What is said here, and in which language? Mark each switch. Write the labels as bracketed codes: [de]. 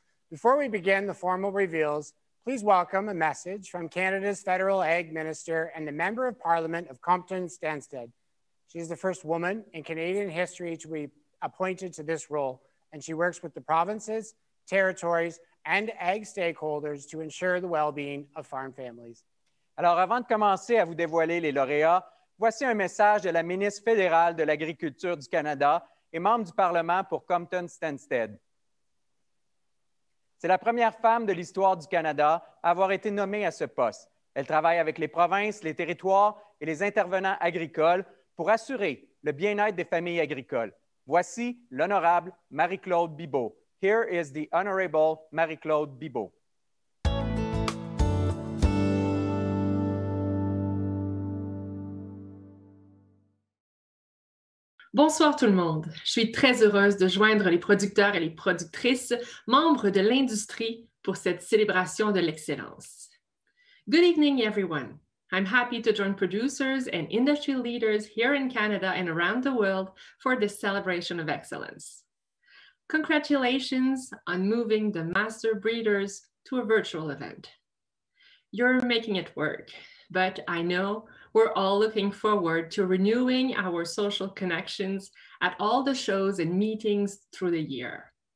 [en] Before we begin the formal reveals, please welcome a message from Canada's Federal Ag Minister and the Member of Parliament of Compton-Stanstead. She's the first woman in Canadian history to be appointed to this role, and she works with the provinces, territories, and ag stakeholders to ensure the well-being of farm families. [fr] Alors, avant de commencer à vous dévoiler les lauréats, voici un message de la ministre fédérale de l'Agriculture du Canada et membre du Parlement pour Compton-Stanstead. C'est la première femme de l'histoire du Canada à avoir été nommée à ce poste. Elle travaille avec les provinces, les territoires et les intervenants agricoles pour assurer le bien-être des familles agricoles. Voici l'honorable Marie-Claude Bibeau. [en] Here is the honorable Marie-Claude Bibeau. [fr] Bonsoir tout le monde. Je suis très heureuse de joindre les producteurs et les productrices, membres de l'industrie, pour cette célébration de l'excellence. [en] Good evening, everyone. I'm happy to join producers and industry leaders here in Canada and around the world for this celebration of excellence. Congratulations on moving the Master Breeders to a virtual event. You're making it work, but I know we're all looking forward to renewing our social connections at all the shows and meetings through the year.